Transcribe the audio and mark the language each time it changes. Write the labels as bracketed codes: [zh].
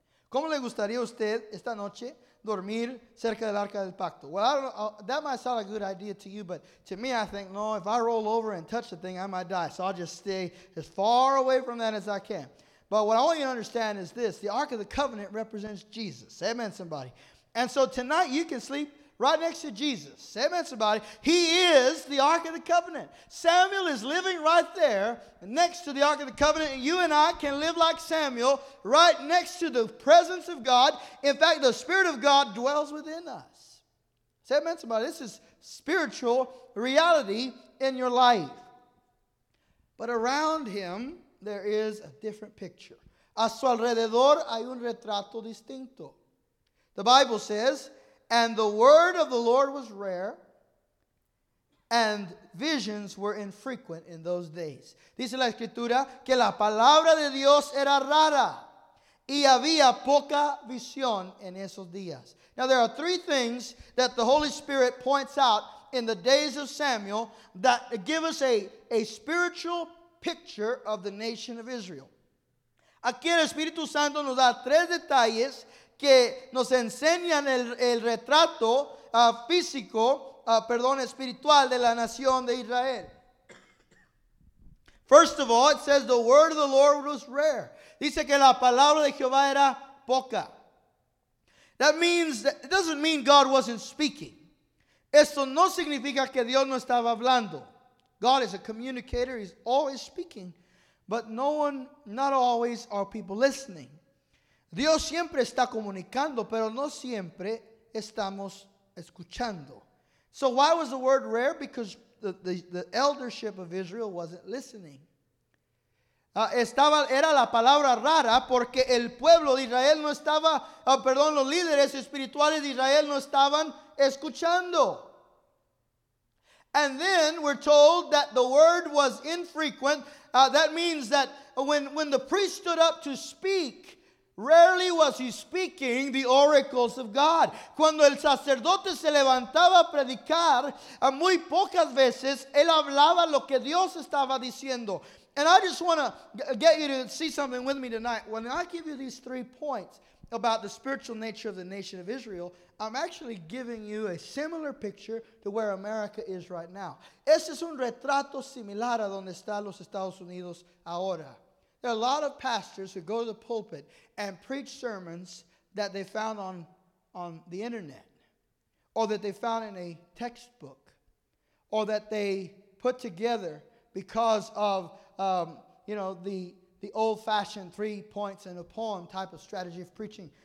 [es] ¿Cómo le gustaría usted esta noche dormir cerca del arca del pacto? [en] Well, I don't know, that might sound a good idea to you, but to me, I think, no, if I roll over and touch the thing, I might die. So I'll just stay as far away from that as I can. But what I want you to understand is this. The Ark of the Covenant represents Jesus. Amen, somebody. And so tonight you can sleep right next to Jesus. Amen, somebody. He is the Ark of the Covenant. Samuel is living right there next to the Ark of the Covenant. And you and I can live like Samuel right next to the presence of God. In fact, the Spirit of God dwells within us. Amen, somebody. This is spiritual reality in your life. But around him, there is a different picture. [es] A su alrededor hay un retrato distinto. [en] The Bible says, and the word of the Lord was rare, and visions were infrequent in those days. [es] Dice la Escritura que la palabra de Dios era rara, y había poca visión en esos días. [en] Now there are three things that the Holy Spirit points out in the days of Samuel that give us a spiritual picture of the nation of Israel. [es] Aquí el Espíritu Santo nos da tres detalles que nos enseñan el retrato físico, perdón, espiritual de la nación de Israel. [en] First of all, it says the word of the Lord was rare. [es] Dice que la palabra de Jehová era poca. [en] That means, it doesn't mean God wasn't speaking. [es] Esto no significa que Dios no estaba hablando. [en] God is a communicator, he's always speaking, but not always are people listening. [es] Dios siempre está comunicando, pero no siempre estamos escuchando. [en] So why was the word rare? Because the eldership of Israel wasn't listening. [es] Era la palabra rara porque el pueblo de Israel no estaba, los líderes espirituales de Israel no estaban escuchando. [en] And then we're told that the word was infrequent. That means that when the priest stood up to speak, rarely was he speaking the oracles of God. [es] Cuando el sacerdote se levantaba a predicar, muy pocas veces él hablaba lo que Dios estaba diciendo. [en] And I just want to get you to see something with me tonight. When I give you these three points about the spiritual nature of the nation of Israel, I'm actually giving you a similar picture to where America is right now. [es] Este es un retrato similar a donde están los Estados Unidos ahora. [en] There are a lot of pastors who go to the pulpit and preach sermons that they found on the internet, or that they found in a textbook, or that they put together because of the old-fashioned three points and a poem type of strategy of preaching.